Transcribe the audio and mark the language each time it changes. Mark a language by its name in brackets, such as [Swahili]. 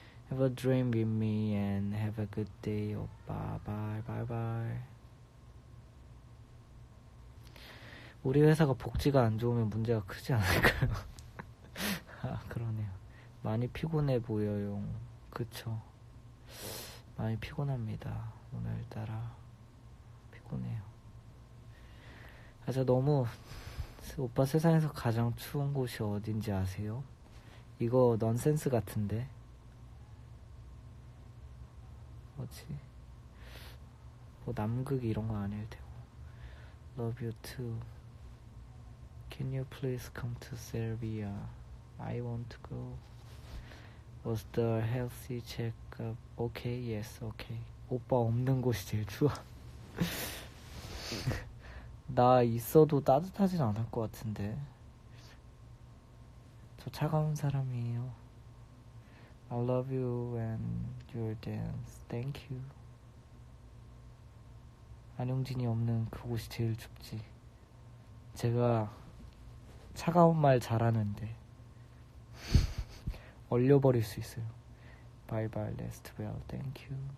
[English] Have a dream with me and have a good day. [Korean] 오빠 [English] bye bye bye. [Korean] 우리 회사가 복지가 안 좋으면 문제가 크지 않을까요? 아 그러네요. 많이 피곤해 보여요. 그쵸. 많이 피곤합니다. 오늘따라 피곤해요. 아, 저 너무 오빠 세상에서 가장 추운 곳이 어딘지 아세요? 이거 넌센스 같은데. 뭐지? 뭐 남극 이런 거 아닐 테고. [English] Love you too. Can you please come to Serbia? I want to go. Was the healthy checkup okay? Yes, okay. [Korean] 오빠 없는 곳이 제일 추워. 나 있어도 따뜻하진 않을 것 같은데. 저 차가운 사람이에요. [English] I love you and your dance. Thank you. [Korean] 안용진이 없는 그곳이 제일 춥지. 제가 차가운 말 잘하는데. 얼려버릴 수 있어요. [English] Bye bye, rest well. Thank you.